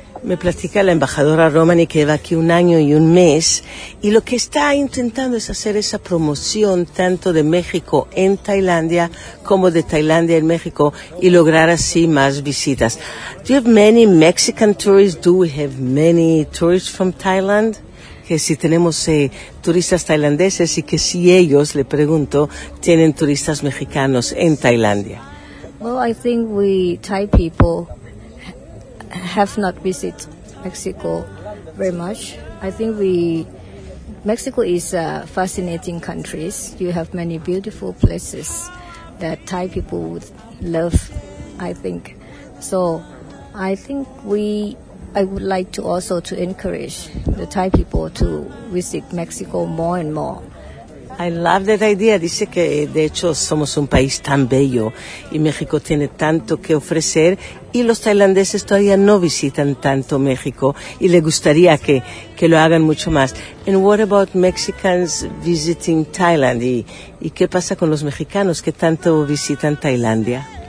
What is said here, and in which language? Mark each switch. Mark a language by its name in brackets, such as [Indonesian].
[Spanish] Me platica la embajadora Romani que lleva aquí 1 año y 1 mes y lo que está intentando es hacer esa promoción tanto de México en Tailandia como de Tailandia en México y lograr así más visitas. [English] Do you have many Mexican tourists? Do we have many tourists from Thailand? [Spanish] Que si tenemos turistas tailandeses y que si ellos, le pregunto, tienen turistas mexicanos en Tailandia. [English] Well, I think we Thai people have not visited Mexico very much. I think Mexico is a fascinating country. You have many beautiful places that Thai people would love, I think. So I think I would like to also to encourage the Thai people to visit Mexico more and more. I love that idea. [Spanish] Dice que de hecho somos un país tan bello y México tiene tanto que ofrecer y los tailandeses todavía no visitan tanto México y le gustaría que lo hagan mucho más. [English] And what about Mexicans visiting Thailand? [Spanish] ¿Y qué pasa con los mexicanos que tanto visitan Tailandia?